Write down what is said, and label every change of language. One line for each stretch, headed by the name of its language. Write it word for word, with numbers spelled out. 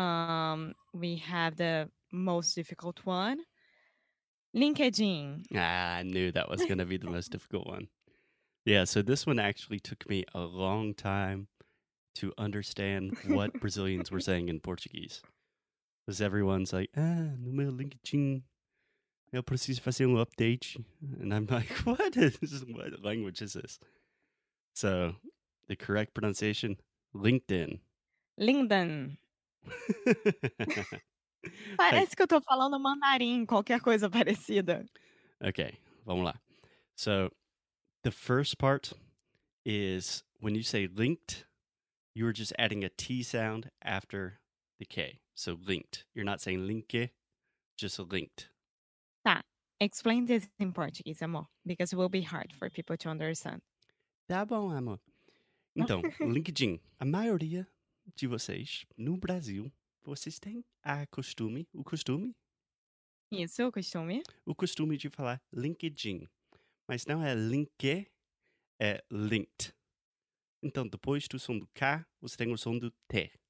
English: Um, we have the most difficult one, LinkedIn. Ah, I knew that was going to be the most difficult one. Yeah, so this one actually took me a long time to understand what Brazilians were saying in Portuguese. Because everyone's like,
Portuguese: ah, no meu LinkedIn, eu preciso fazer um update.
English: And I'm like, what is what language is this? So the correct pronunciation, LinkedIn. LinkedIn. Like,
Portuguese: Parece que eu tô falando mandarim, qualquer coisa parecida. okay, Vamos lá.
English: So the first part is when you say linked, you are just adding a T sound after the K. So linked. You're not saying linke, just linked.
Portuguese: Tá.
English: Explain this in Portuguese, amor, because it will be hard for people to understand.
Portuguese: Tá bom, amor. Então, LinkedIn. A maioria de vocês no Brasil, vocês têm a costume, o costume, Isso, o costume? o costume de falar LinkedIn. Mas não é linke, é linked. Então, depois do som do K, você tem o som do T.